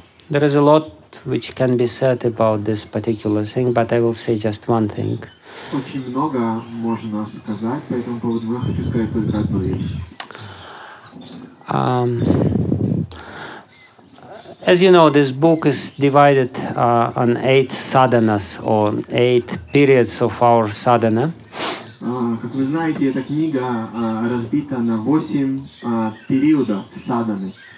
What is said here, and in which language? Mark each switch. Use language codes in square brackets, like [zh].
[en] There is a lot which can be said about this particular thing, but I will say just one thing. [ru] Очень много можно сказать по этому поводу, но я хочу сказать только одну вещь. [en] As you know, this book is divided on 8 sadhanas, or 8 periods of our sadhana. [ru] Как вы знаете, эта книга разбита на 8 периодов sadhana.